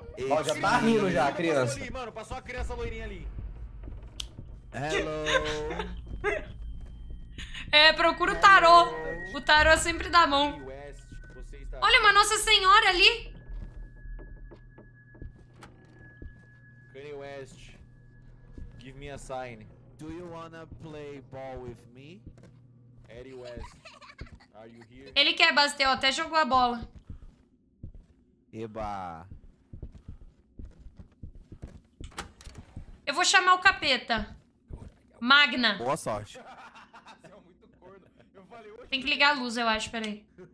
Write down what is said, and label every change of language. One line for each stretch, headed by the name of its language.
Portuguese: Ó, já tá rindo já, a criança. Passou ali, mano, passou a criança loirinha ali.
English: Hello.
Portuguese: É, procura o tarô. O tarô sempre dá bom. Olha, uma Nossa Senhora ali.
English: Kanye West, give me a sign. Do you wanna play ball with me? Eddie West, are you here?
Portuguese: Ele quer, Bastel, até jogou a bola. Eba. Eu vou chamar o capeta. Magna. Boa sorte. Tem que ligar a luz, eu acho, peraí.